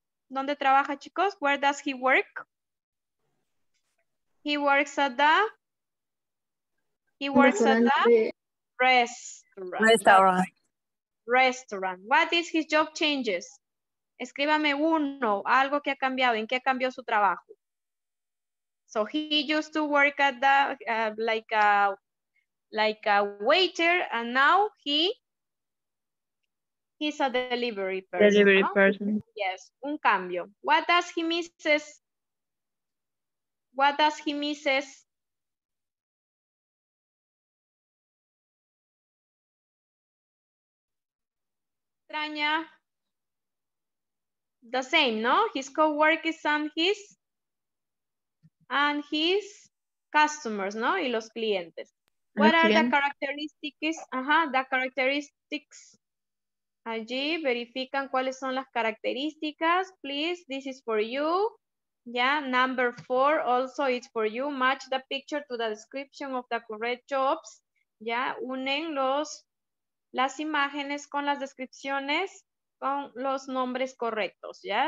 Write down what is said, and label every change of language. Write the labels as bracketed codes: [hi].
[es] ¿Dónde trabaja, chicos? [en] Where does he work? He works at the restaurant. What is his job changes? [es] Escríbame uno, algo que ha cambiado, en qué cambió su trabajo. [en] So he used to work at the like a waiter, and now he's a delivery person. Delivery, no? Person. Yes, [es] un cambio. [en] What does he misses? What does he misses? Extraña. The same, no? His co-workers and his customers, ¿no? [es] Y los clientes. [en] What are the characteristics? Ajá, the characteristics. [es] Allí verifican cuáles son las características. [en] Please, this is for you. Yeah, number four also is for you. Match the picture to the description of the correct jobs. ¿ya? [es] Unen las imágenes con las descripciones con los nombres correctos, ¿ya?